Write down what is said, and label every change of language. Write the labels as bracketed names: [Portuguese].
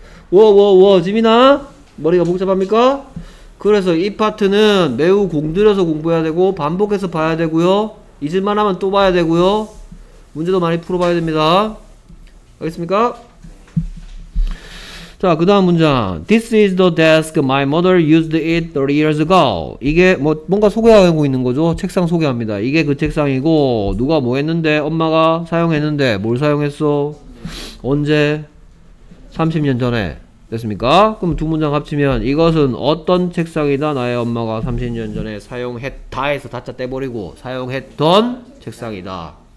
[Korean] 워워워 지민아 머리가 복잡합니까? 그래서 이 파트는 매우 공들여서 공부해야 되고 반복해서 봐야 되고요. 잊을만하면 또 봐야 되고요. 문제도 많이 풀어봐야 됩니다. 알겠습니까? 자, 그 다음 문장. [English] This is the desk my mother used it 30 years ago. [Korean] 이게 뭐 뭔가 소개하고 있는 거죠? 책상 소개합니다. 이게 그 책상이고 누가 뭐 했는데 엄마가 사용했는데 뭘 사용했어? 언제? 30년 전에. 됐습니까? 그럼 두 문장 합치면 이것은 어떤 책상이다? 나의 엄마가 30년 전에 사용했다 해서 다짜 떼버리고 사용했던 책상이다.